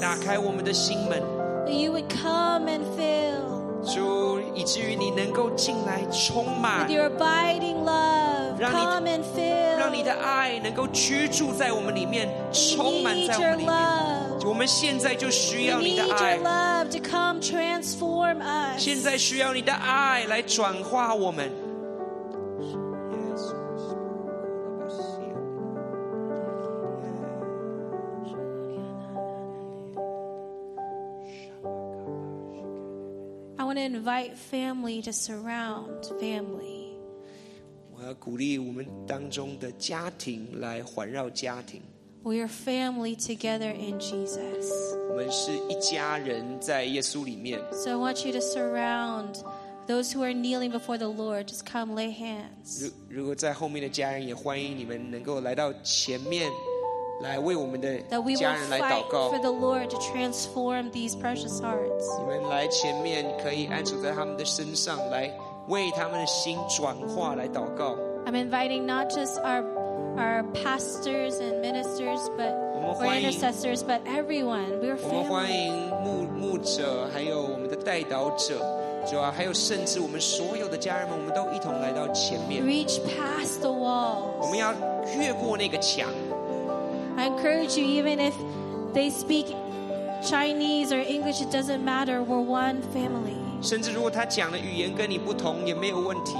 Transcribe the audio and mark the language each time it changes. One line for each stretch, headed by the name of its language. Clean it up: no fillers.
Chinese: 打开我们的心门。
English: You would come and fill.
Chinese: 主，以至于你能够进来充满。
English: With your abiding love, come and fill.
Chinese: 让你的爱能够居住在我们里面，充满在我们里面。
English: We need your love.
Chinese: 我们现在就需要你的爱。
English: We need your love to come transform us.
Chinese: 现在需要你的爱来转化我们。
English: Invite family to surround family.
Chinese: 我要鼓励我们当中的家庭来环绕家庭。
English: We are family together in Jesus.
Chinese: 我们是一家人在耶稣里面。
English: So I want you to surround those who are kneeling before the Lord. Just come lay hands.
Chinese: 如果在后面的家人也欢迎你们能够来到前面来为我们的
English: That we will fight for the Lord to transform these precious hearts.
Chinese: 你们来前面可以安住在他们的身上，来为他们的心转化，来祷告。
English: I'm inviting not just our pastors and ministers, but our intercessors, but everyone. We're family.
Chinese: 我们欢迎牧者，还有我们的代祷者。主啊，还有甚至我们所有的家人们，我们都一同来到前面。
English: Reach past the walls.
Chinese: 我们要越过那个墙。
English: I encourage you, even if they speak Chinese or English, it doesn't matter. We're one family.
Chinese: 甚至如果他讲的语言跟你不同，也没有问题。